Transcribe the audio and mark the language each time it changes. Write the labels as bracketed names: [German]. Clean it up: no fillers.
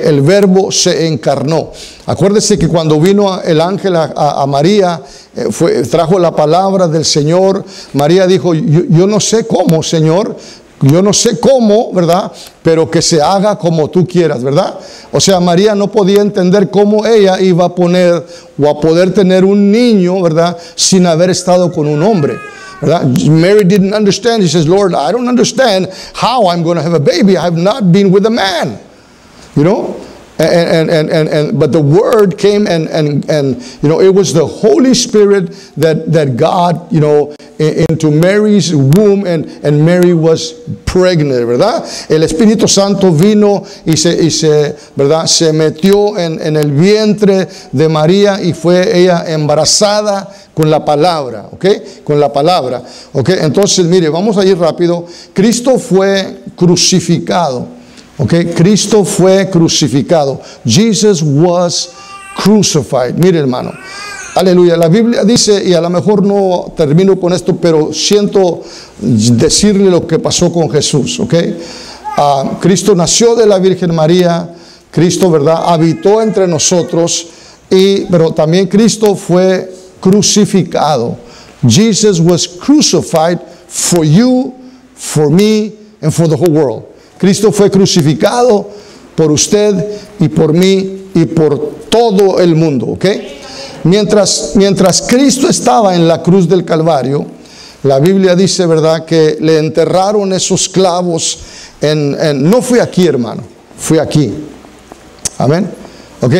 [Spanish] El verbo se encarnó. Acuérdese que cuando vino el ángel a María, trajo la palabra del Señor. María dijo, yo no sé cómo, Señor. Yo no sé cómo, ¿verdad? Pero que se haga como tú quieras, ¿verdad? O sea, María no podía entender cómo ella iba a poner o a poder tener un niño, ¿verdad? Sin haber estado con un hombre. [English] Mary didn't understand. She says, Lord, I don't understand how I'm going to have a baby. I have not been with a man. You know? And but the word came and you know, it was the Holy Spirit that God, you know, into Mary's womb and Mary was pregnant, [Spanish] ¿verdad? El Espíritu Santo vino y se ¿verdad? Se metió en el vientre de María y fue ella embarazada con la palabra, ¿ok? Con la palabra, ¿ok? Entonces, mire, vamos a ir rápido. Cristo fue crucificado. Okay, Cristo fue crucificado. [English] Jesus was crucified. [Spanish] Mire, hermano. Aleluya. La Biblia dice, y a lo mejor no termino con esto, pero siento decirle lo que pasó con Jesús. Okay. Cristo nació de la Virgen María. Cristo, ¿verdad? Habitó entre nosotros. Pero también Cristo fue crucificado. [English] Jesus was crucified for you, for me, and for the whole world. [Spanish] Cristo fue crucificado por usted y por mí y por todo el mundo, ¿ok? Mientras Cristo estaba en la cruz del Calvario, la Biblia dice, ¿verdad?, que le enterraron esos clavos en no fui aquí, hermano, fui aquí. Amén. ¿Ok?